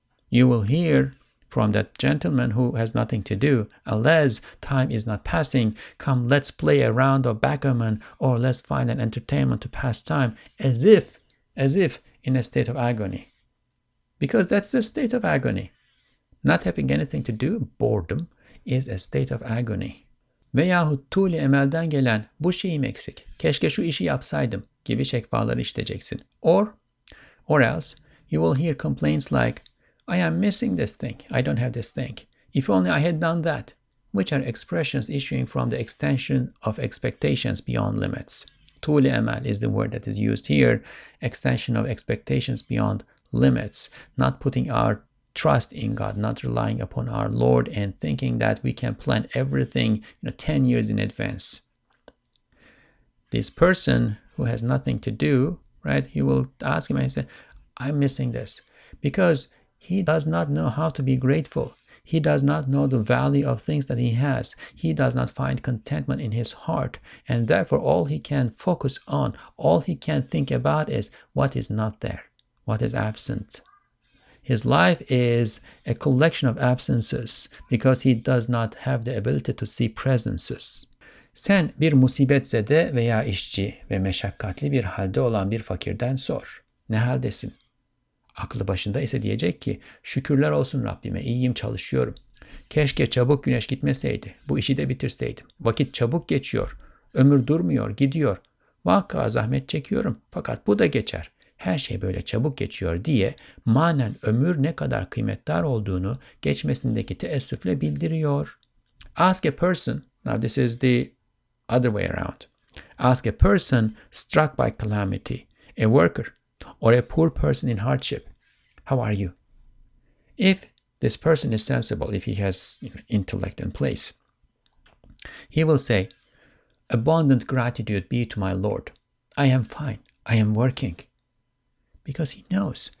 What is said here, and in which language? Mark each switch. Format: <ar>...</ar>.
<en>You will hear from that gentleman who has nothing to do, alas, time is not passing, come let's play a round of backgammon or let's find an entertainment to pass time, as if in a state of agony. Because that's a state of agony. Not having anything to do, boredom, is a state of agony.</en> <tr>Veyahut tuğli emelden gelen bu şeyim eksik, keşke şu işi yapsaydım gibi şekvaları işleyeceksin.</tr> <en>Or else, you will hear complaints like, I am missing this thing. I don't have this thing. If only I had done that. Which are expressions issuing from the extension of expectations beyond limits. Tuli emel is the word that is used here. Extension of expectations beyond limits. Not putting our trust in God. Not relying upon our Lord and thinking that we can plan everything, you know, 10 years in advance. This person who has nothing to do, right? He will ask him and say, I'm missing this. Because he does not know how to be grateful. He does not know the value of things that he has. He does not find contentment in his heart. And therefore, all he can focus on, all he can think about is what is not there, what is absent. His life is a collection of absences because he does not have the ability to see presences.</en> <tr>Sen bir musibetzede veya işçi ve meşakkatli bir halde olan bir fakirden sor. Ne haldesin? Aklı başında ise diyecek ki, şükürler olsun Rabbime, iyiyim, çalışıyorum. Keşke çabuk güneş gitmeseydi, bu işi de bitirseydim. Vakit çabuk geçiyor, ömür durmuyor, gidiyor. Vaka zahmet çekiyorum fakat bu da geçer. Her şey böyle çabuk geçiyor diye manen ömür ne kadar kıymetdar olduğunu geçmesindeki teessüfle bildiriyor.</tr> <en>Ask a person, now this is the other way around. Ask a person struck by calamity, a worker, or a poor person in hardship, how are you? If this person is sensible, if he has intellect in place, he will say, abundant gratitude be to my Lord. I am fine. I am working. Because he knows.</en>